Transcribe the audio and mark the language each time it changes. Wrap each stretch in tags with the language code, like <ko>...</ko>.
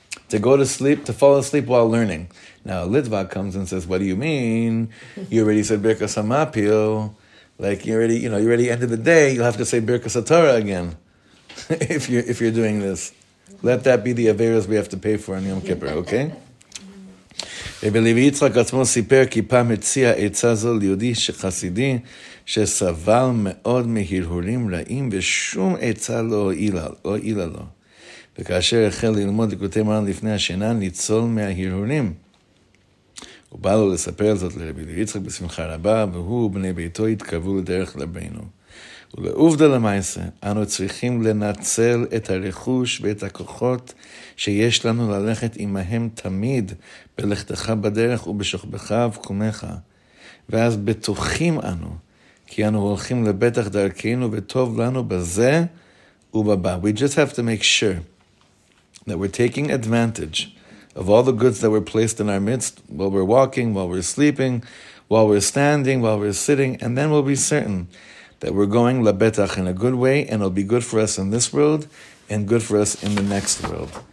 <en>To go to sleep, to fall asleep while learning. Now, Litvak comes and says, what do you mean? You already said Birkas HaMapil. Like, you already ended the day, you'll have to say Birkas HaTorah again. if you're doing this. Let that be the averas we have to pay for in Yom Kippur, okay?</en> <he>רבי לוי יצחק עצמו סיפר כי פעם הציע עצה זו ליהודי שחסידי שסבל מאוד מהרהורים רעים ושום עצה לא הועילה לו. וכאשר החל ללמוד ליקוטי מוהר"ן לפני השינה ניצול מההרהורים. הוא בא לו לספר זאת לרבי לוי יצחק בשמחה רבה והוא ובני ביתו התקרבו לדרך לבינו. ולעובדה למעשה, אנו צריכים לנצל את הרכוש ואת הכוחות שיש לנו ללכת עמהם תמיד בלכתך בדרך ובשוכבך ובקומך. ואז בטוחים אנו, כי אנו הולכים לבטח דרכנו וטוב לנו בזה ובבא.</he> <en>We just have to make sure that we're taking advantage of all the goods that were placed in our midst while we're walking, while we're sleeping, while we're standing, while we're sitting, and then we'll be certain that we're going labetach in a good way, and it'll be good for us in this world, and good for us in the next world.</en>